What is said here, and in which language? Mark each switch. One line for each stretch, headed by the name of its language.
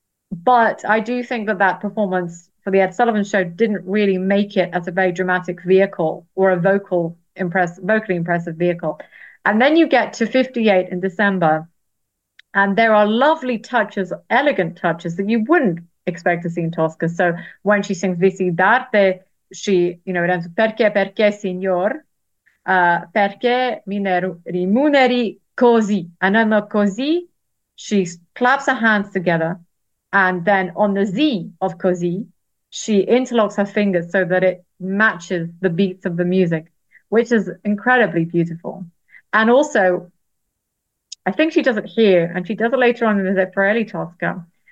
English: But I do think that that performance for the Ed Sullivan Show didn't really make it as a very dramatic vehicle or a vocally impressive vehicle. And then you get to 58 in December, and there are lovely touches, elegant touches that you wouldn't expect to see in Tosca. So when she sings Visi d'arte, she, you know, it ends,
Italian: perché, perché, signor, perché mi rimuneri così.
English: And then the così, she claps her hands together. And then on the Z of così, she interlocks her fingers so that it matches the beats of the music, which is incredibly beautiful. And also, I think she does it here, and she does it later on in the Zeffirelli Tosca.